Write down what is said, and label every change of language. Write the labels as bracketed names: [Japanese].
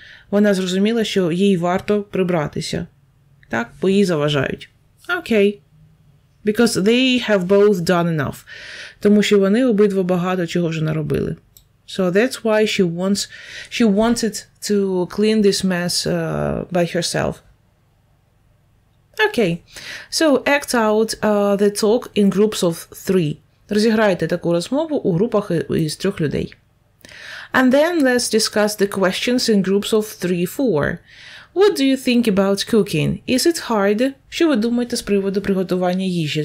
[Ukrainian] Вона зрозуміла, що їй варто прибратися. Так, бо їй заважають. [English] Okay. Because they have both done enough. [Ukrainian] Тому що вони обидва багато чого вже наробили. [English] So that's why she wanted to clean this mess by herself. Okay, so act out the talk in groups of three. [Ukrainian] Розіграйте таку розмову у групах із трьох людей. [English] And then let's discuss the questions in groups of 3-4. What do you think about cooking? Is it hard? [Ukrainian] Що ви думаєте з приводу приготування їжі?